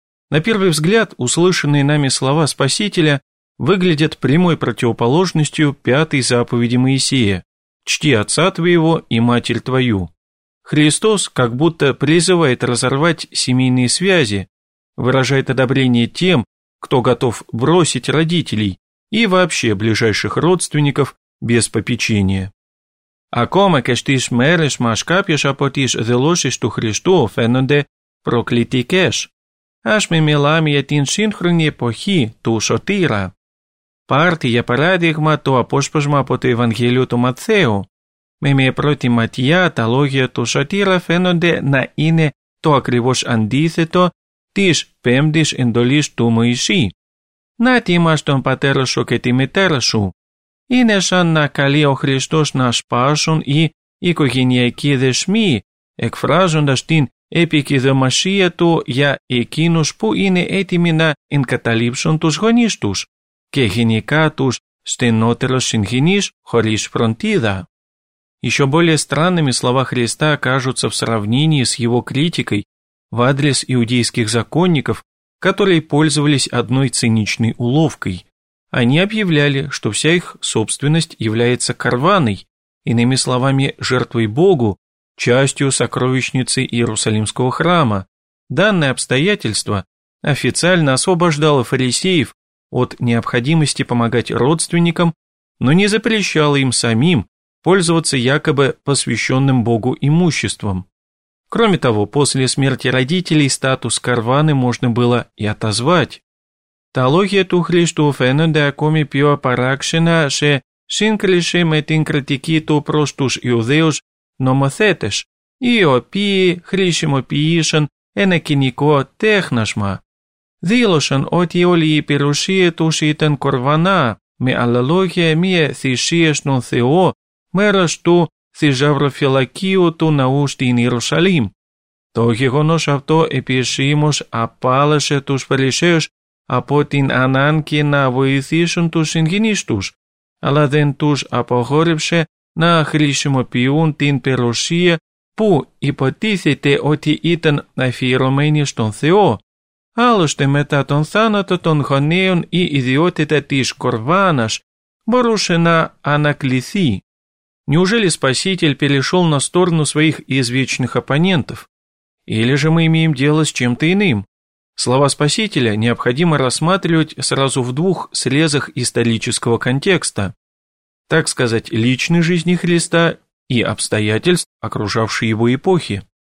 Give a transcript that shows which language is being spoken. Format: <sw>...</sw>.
<ru>На первый взгляд, услышанные нами слова Спасителя выглядят прямой противоположностью пятой заповеди Моисея «Чти отца твоего и матерь твою». Христос как будто призывает разорвать семейные связи, выражает одобрение тем, кто готов бросить родителей и вообще ближайших родственников без попечения.</ru> <el>Ακόμα και στις μέρες μας κάποιες από τις δηλώσεις του Χριστού φαίνονται προκλητικές. Ας μην μιλάμε για την σύγχρονη εποχή του Σωτήρα. Πάρτε για παράδειγμα το απόσπασμα από το Ευαγγέλιο του Ματθαίου. Με μια πρώτη ματιά τα λόγια του Σωτήρα φαίνονται να είναι το ακριβώς αντίθετο της πέμπτης εντολής του Μωυσή. «Να τιμάς τον πατέρα σου και τη μητέρα σου». Είναι σαν να καλεί ο Χριστός να σπάσουν οι οικογενειακοί δεσμοί, εκφράζοντας την επικυδομασία του για εκείνους που είναι έτοιμοι να εγκαταλείψουν τους γονείς τους και γενικά τους στενότερους συγγενείς χωρίς φροντίδα.</el> <ru>Еще более странными слова Христа кажутся в сравнении с его критикой в адрес иудейских законников, которые пользовались одной циничной уловкой. Они объявляли, что вся их собственность является карваной, иными словами, жертвой Богу, частью сокровищницы Иерусалимского храма. Данное обстоятельство официально освобождало фарисеев от необходимости помогать родственникам, но не запрещало им самим пользоваться якобы посвященным Богу имуществом. Кроме того, после смерти родителей статус карваны можно было и отозвать.</ru> <el>Τα λόγια του Χριστού φαίνονται ακόμη πιο παράξενα σε σύγκριση με την κριτική του προς τους Ιουδαίους νομοθέτες, οι οποίοι χρησιμοποιήσαν ένα κοινικό τέχνασμα. Δήλωσαν ότι όλη η περιουσία τους ήταν κορβανά, με άλλα λόγια μία θυσία στον Θεό, μέρος του θησαυροφυλακίου του ναού στην Ιερουσαλήμ. Το γεγονός αυτό επισήμως απάλασε τους Φαρισαίους από την ανάγκη να βοηθήσουν τους συγγενείς τους, αλλά δεν τους απαγόρευσε να χρησιμοποιούν την περιουσία που υποτίθεται ότι ήταν αφιερωμένη στον Θεό. Άλλωστε μετά τον θάνατο των γονέων η ιδιότητα της κορβάνας μπορούσε να ανακληθεί.</el> <ru>Неужели Спаситель перешел на сторону своих извечных оппонентов? Или же мы имеем дело с чем-то иным? Слова Спасителя необходимо рассматривать сразу в двух срезах исторического контекста, так сказать, личной жизни Христа и обстоятельств, окружавшей его эпохи.</ru>